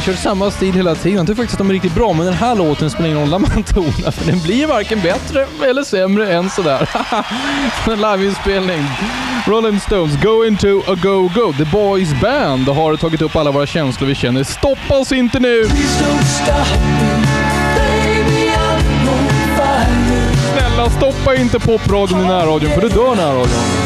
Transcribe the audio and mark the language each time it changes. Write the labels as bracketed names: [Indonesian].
[Swedish] Kör samma stil hela tiden. Jag tycker faktiskt att de är riktigt bra, men den här låten spelar ingen roll om man tonar, för den blir varken bättre eller sämre än sådär. En live-inspelning. Rolling Stones, Going to a Go-Go. The Boys Band har tagit upp alla våra känslor vi känner. Stoppa oss inte nu! [English] Please don't stop me, baby, I'm on fire. [Swedish] Snälla, stoppa inte popradion i närradion, för du dör i närradion.